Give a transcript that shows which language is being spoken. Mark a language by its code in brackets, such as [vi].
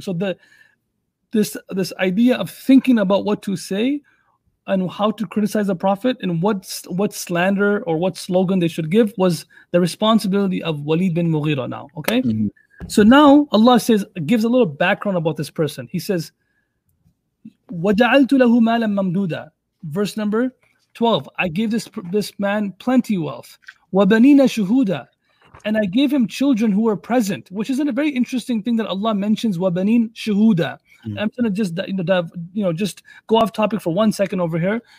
[en] So this idea of thinking about what to say and how to criticize a prophet and what slander or what slogan they should give was the responsibility of Walid bin Mughira now, okay? Mm-hmm. So now Allah says, gives a little background about this person. He says, [ar] وَجَعَلْتُ لَهُ مَالًا مَمْدُودًا. [en] Verse number 12, I gave this man plenty wealth. [ar] وَبَنِينَ شُهُودًا. [en] And I gave him children who were present, which isn't a very interesting thing that Allah mentions, [ar] وَبَنِينَ شُهُودًا. [en] I'm going to just, just go off topic for 1 second over here.